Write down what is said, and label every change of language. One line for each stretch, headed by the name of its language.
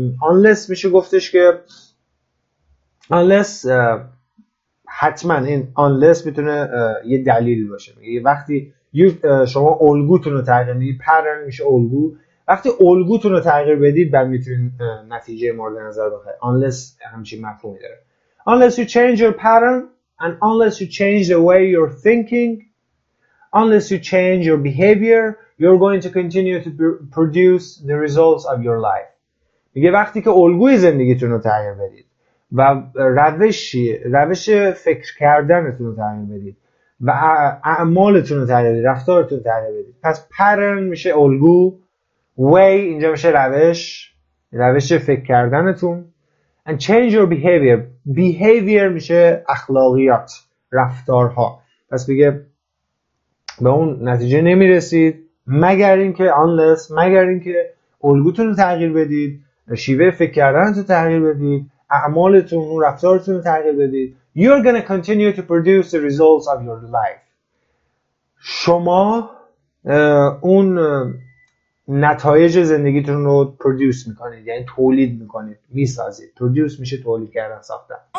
Persian: Unless میشه گفتش که unless حتما این unless میتونه یه دلیل باشه. میگه وقتی شما الگوتون رو تغییر میدید، pattern میشه الگو، وقتی الگوتون رو تغییر بدید بعد میتونید نتیجه مورد نظر بخواید. Unless همچین مفهومی داره.
English: Unless you change your pattern and unless you change the way you're thinking, unless you change your behavior, you're going to continue to produce the results of your life.
Persian: میگه وقتی که الگوی زندگیتون رو تغییر بدید و روش فکر کردنتون رو تغییر بدید و اعمالتون رو تغییر بدید، رفتارتون رو تغییر بدید. پس pattern میشه الگو، way اینجا میشه روش فکر کردنتون،
English: and change your behavior
Persian: میشه اخلاقیات، رفتارها. پس بگه به اون نتیجه نمیرسید مگر اینکه الگوتون رو تغییر بدید، شیوه فکر کردنتون رو تغییر بدید، اعمالتون و رفتارتون رو تغییر بدید.
English: You're gonna continue to produce the results of your life.
Persian: شما اون نتایج زندگیتون رو پرودوس میکنید، یعنی تولید میکنید، میسازید. پرودوس میشه تولید کردن، ساختن.